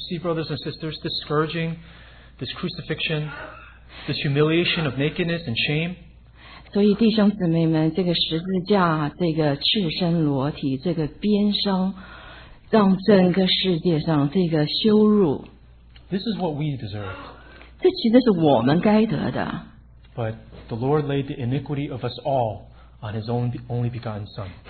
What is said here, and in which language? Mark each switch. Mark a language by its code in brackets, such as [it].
[en] see, brothers and sisters, this scourging, this crucifixion, this humiliation of nakedness and shame. [zh] 所以弟兄姊妹们，这个十字架，这个赤身裸体，这个鞭伤，让整个世界上这个羞辱。 [en] This is what we deserve. [zh] 这其实是我们该得的。 [en] But the Lord laid the iniquity of us all on his only begotten son.